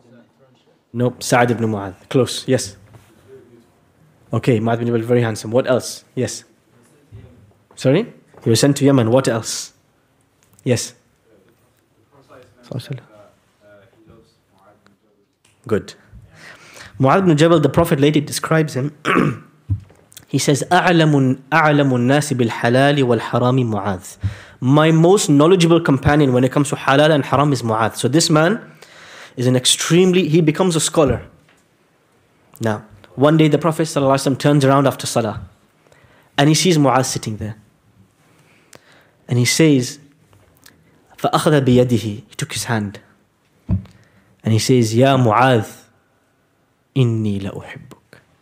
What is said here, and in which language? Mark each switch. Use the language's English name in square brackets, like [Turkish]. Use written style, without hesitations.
[English] didn't throw him? Nope, Sa'd ibn Mu'adh. Close, yes. Okay, Mu'adh ibn Jabal, very handsome. What else? Yes. Sorry? He was sent to Yemen. What else? Yes. Good. Mu'adh ibn Jabal, the Prophet later describes him. He says, [Arabic] أَعْلَمُ النَّاسِ بِالْحَلَالِ وَالْحَرَامِ مُعَاذ. [English] My most knowledgeable companion when it comes to halal and haram is Mu'adh. So this man is an extremely, he becomes a scholar. Now, one day the Prophet ﷺ turns around after salah and he sees Mu'adh sitting there. And he says, [Arabic] فَأَخَذَ بِيَدِهِ. [English] He took his hand. And he says, [Arabic] يَا مُعَاذ, إِنِّي لَأُحِبُّكَ.